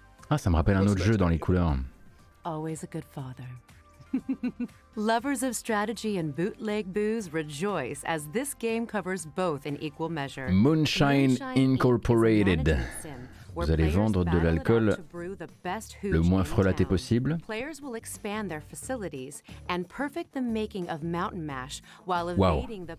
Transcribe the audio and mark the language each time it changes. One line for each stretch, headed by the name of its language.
French: Ah, ça me rappelle un autre jeu dans les couleurs.
English: Always a good father. Lovers of strategy and bootleg booze rejoice as this game covers both in equal measure. Moonshine Incorporated.
French: Vous allez vendre de l'alcool le moins frelaté possible.
English: Players will expand their facilities and perfect the making of Mountain Mash while evading the.